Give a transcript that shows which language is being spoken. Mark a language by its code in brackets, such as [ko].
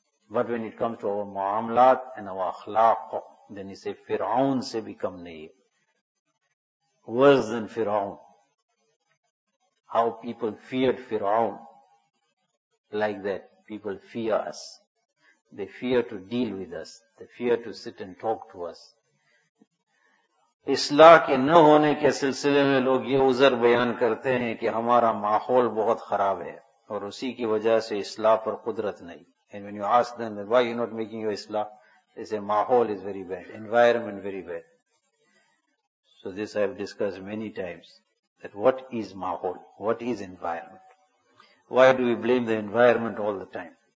[en] But when it comes to our muamlat and our akhlaq, then he says, [ur] Fir'aun se become nahi. [en] Worse than Fir'aun. How people feared Fir'aun. Like that, people fear us. They fear to deal with us. They fear to sit and talk to us. [ur] اصلاح کے نہ ہونے کے سلسلے میں لوگ یہ عذر بیان کرتے ہیں کہ ہمارا ماحول بہت خراب ہے اور اسی کی وجہ سے اصلاح پر قدرت نہیں. [en] And when you ask them that, why are you not making your اصلاح, they say ماحول is very bad, environment very bad. So this I have discussed many times, that what is ماحول, what is environment, why do we blame the environment all the time?